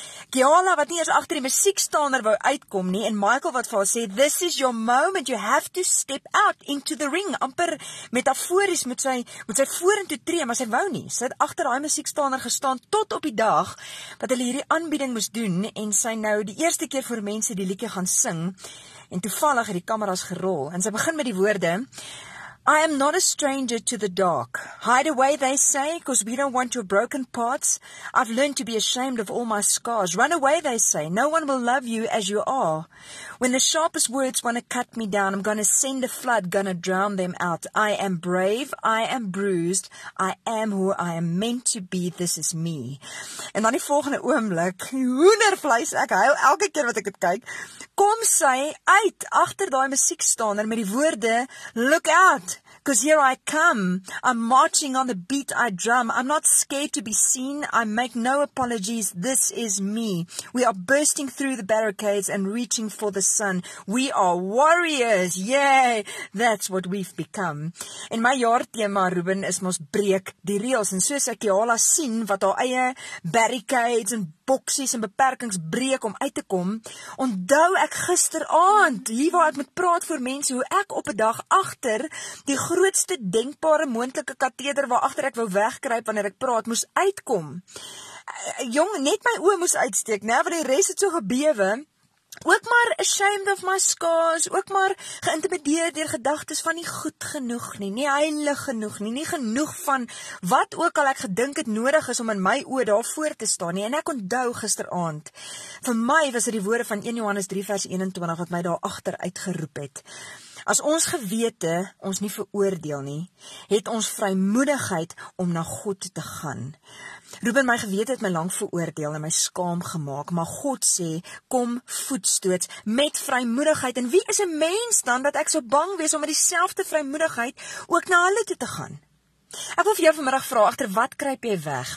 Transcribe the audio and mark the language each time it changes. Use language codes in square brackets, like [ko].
[af] Kehala wat nie eens agter die musiekstander wou uitkom nie en Michael wat vir haar sê [en] this is your moment, you have to step out into the ring, [af] amper metafories met sy vorentoe tree, maar sy wou nie. Sy het agter daai musiekstander gestaan tot op die dag wat hulle hierdie aanbieding moes doen en sy nou die eerste keer vir mense die liedjie gaan sing en toevallig het die kameras gerol en sy begin met die woorde [en] I am not a stranger to the dark. Hide away, they say, 'cause we don't want your broken parts. I've learned to be ashamed of all my scars. Run away, they say, no one will love you as you are. When the sharpest words want to cut me down, I'm gonna send a flood, gonna drown them out. I am brave, I am bruised, I am who I am meant to be, this is me. En dan die volgende oomblik, hoendervleis, ek huil elke keer wat ek het kyk, kom sy uit agter daai musiekstander met die woorde, look out. Because here I come, I'm marching on the beat I drum, I'm not scared to be seen, I make no apologies, this is me. We are bursting through the barricades and reaching for the sun. We are warriors, yay, that's what we've become. [af] En my jaarthema, Ruben, is mos breek die reels, en soos ek Kehala sien wat haar eie barricades en boksies en beperkings breek om uit te kom, onthou ek gisteraand, hier waar ek moet praat vir mense, hoe ek op 'n dag agter die grootste denkbare moontlike kateder waar agter ek wou wegkruip wanneer ek praat, moes uitkom. Jong, net my oë moes uitsteek, né, want die res het so gebewe. Ook maar [en] ashamed of my scars, [af] ook maar geïntimideer deur gedagtes van nie goed genoeg nie, nie heilig genoeg nie, nie genoeg van wat ook al ek gedink het nodig is om in my oë daar voor te staan nie. En ek onthou gisteraand, vir my was dit die woorde van 1 Johannes 3 vers 21 wat my daar agter uitgeroep het. As ons gewete ons nie veroordeel nie, het ons vrymoedigheid om na God te gaan. Ruben, my gewete het my lank veroordeel en my skaam gemaak, maar God sê, kom voetstoots met vrymoedigheid. En wie is 'n mens dan dat ek so bang wees om met dieselfde vrymoedigheid ook na hulle toe te gaan? Ek wil vir jou vanmiddag vra, agter wat kruip jy weg?